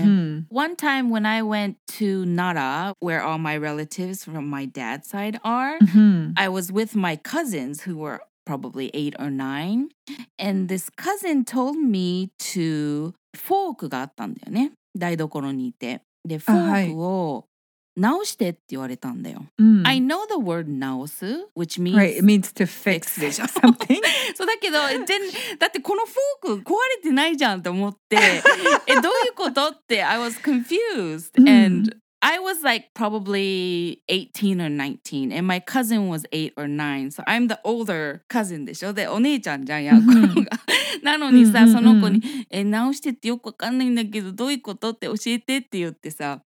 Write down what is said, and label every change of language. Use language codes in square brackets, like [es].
[en] One time when I went to Nara, where all my relatives from my dad's side are, I was with my cousins who were probably 8 or 9. And this cousin told me to... [ja] フォークがあったんだよね。台所にいて。で、フォークを直してって言われたんだよ。 [en] I know the word 直す, which means... Right, it means to fix something. [ja] そうだけど、 [en] it didn't... [ja] だってこのフォーク壊れてないじゃんって思って、え、どういうことって、 [en] I was confused. And I was like probably 18 or 19, and my cousin was 8 or 9. So I'm the older cousin [ja] でしょ。で、お姉ちゃんじゃん、やっこのが。なのにさ、その子に、え、直してってよくわかんないんだけど、どういうことって教えてって言ってさ。